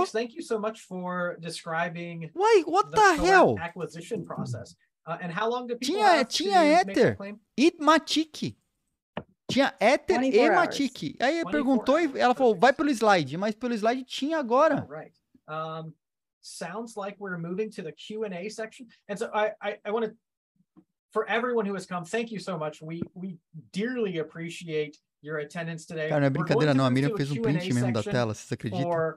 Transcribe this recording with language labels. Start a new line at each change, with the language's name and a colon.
English: Nix, thank you so much for describing Why, what the hell? Acquisition process. And how long do
Portuguese: tinha, tinha Ether e Matic. Tinha Ether e Matic. Aí perguntou e ela falou, vai pelo slide, mas pelo slide tinha agora.
English: Oh, right. Sounds like we're moving to the Q&A section. And so I want to For everyone who has come, thank you so much. We dearly appreciate your attendance today.
Portuguese: Cara, não é brincadeira não. A Miriam fez um print mesmo da tela, vocês acreditam?